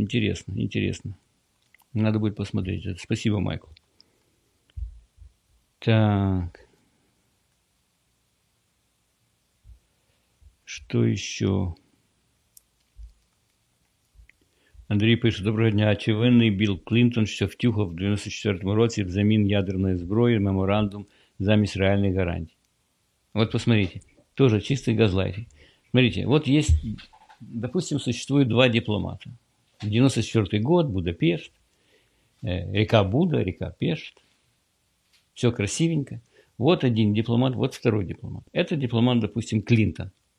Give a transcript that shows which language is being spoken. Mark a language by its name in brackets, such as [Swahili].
[Russian] Интересно, интересно. Надо будет посмотреть это. Спасибо, Майкл. Так. Что еще? Андрей пишет: доброго дня. [Ukrainian] Очевидно, Билл Клинтон ще втюхав в 94-му році взамін ядерной зброї меморандум замість реальных гарантий. [Russian] Вот посмотрите. Тоже чистый газлайтинг. Смотрите, вот есть, допустим, существует два дипломата. 94-й год, Будапешт. Река Буда, река Пешт. Все красивенько. Вот один дипломат, вот второй дипломат. Это дипломат, допустим, Клинтон.